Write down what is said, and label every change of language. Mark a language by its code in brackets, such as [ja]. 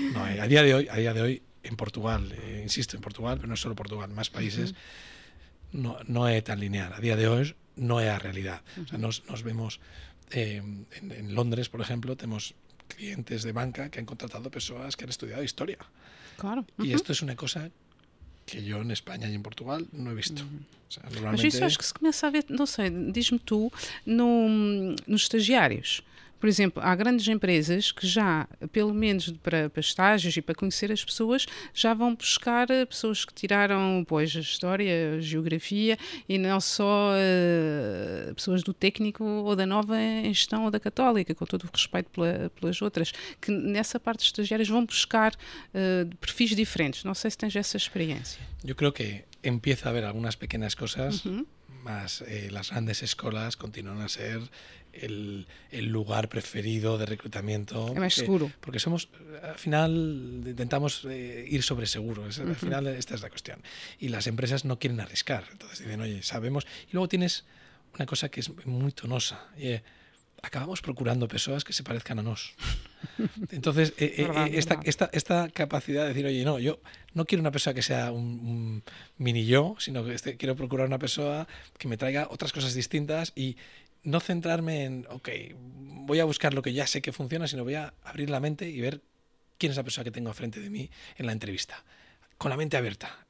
[es] A día de hoy, en Portugal, insisto, en Portugal, pero no solo Portugal, más países, uh-huh, no es tan lineal. A día de hoy no es la realidad. Uh-huh. O sea, nos vemos en Londres, por ejemplo, tenemos clientes de banca que han contratado personas que han estudiado historia. Claro. Uh-huh. Y esto es una cosa que yo en España y en Portugal no he visto. Uh-huh. O sea, normalmente... [pt] Mas isso acho que se começa a ver, não sei, diz-me tú, nos estagiários. Por exemplo, há grandes empresas que já, pelo menos para estágios e para conhecer as pessoas, já vão buscar pessoas que tiraram, pois, a história, a geografia, e não só pessoas do técnico ou da nova em gestão ou da católica, com todo o respeito pelas outras, que nessa parte de estagiários vão buscar perfis diferentes. Não sei se tens essa experiência. Eu creio que [es] empieza [pt] a haver algumas pequenas coisas, mas as grandes escolas continuam a ser [es] el lugar preferido de reclutamiento. Es más seguro. Porque somos, al final, intentamos ir sobre seguro. Es, uh-huh. Al final, esta es la cuestión. Y las empresas no quieren arriesgar. Entonces dicen: oye, sabemos. Y luego tienes una cosa que es muy tonosa. Acabamos procurando personas que se parezcan a nos. Entonces, esta capacidad de decir: oye, no, yo no quiero una persona que sea un mini yo, sino que quiero procurar una persona que me traiga otras cosas distintas y no centrarme en, ok, voy a buscar lo que ya sé que funciona, sino voy a abrir la mente y ver quién es la persona que tengo frente de mí en la entrevista. Con la mente abierta.